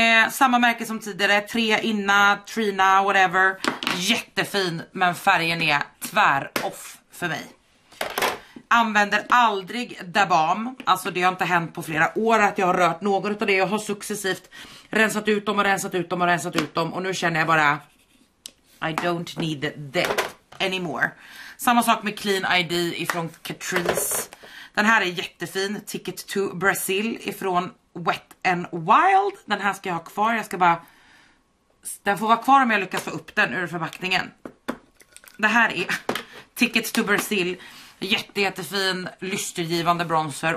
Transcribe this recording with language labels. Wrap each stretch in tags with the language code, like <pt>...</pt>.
<sv>Samma märke som tidigare, Tre Inna, Trina, whatever. Jättefin, men färgen är tvär off för mig. Använder aldrig Dabam. Alltså det har inte hänt på flera år att jag har rört något av det. Jag har successivt rensat ut dem och rensat ut dem och rensat ut dem. Och nu känner jag bara,</sv> <en>I don't need that anymore.</en> <sv>Samma sak med Clean ID ifrån Catrice. Den här är jättefin. Ticket to Brazil ifrån Wet n Wild. Den här ska jag ha kvar. Jag ska bara, den får vara kvar om jag lyckas få upp den ur förpackningen. Det här är Ticket to Brazil. Jättefin, lystergivande bronzer.</sv>